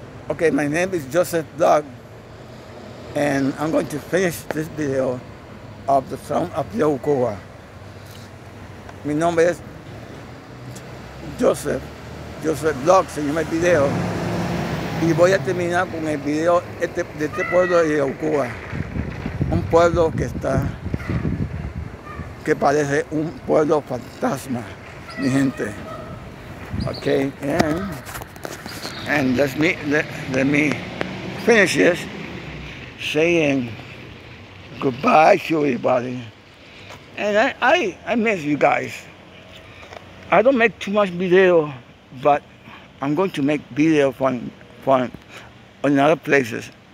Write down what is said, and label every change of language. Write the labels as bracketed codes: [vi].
[en] Okay, my name is Joseph Doug, and I'm going to finish this video of the song of Yabucoa. [es] Mi nombre es Joseph, Joseph Doug, se llama el video. Y voy a terminar con el video este, de este pueblo de Yabucoa. Un pueblo que está, que parece un pueblo fantasma, mi gente. [en] Okay, and let me finish this saying goodbye to everybody. And I miss you guys. I don't make too much video, but I'm going to make video from another places.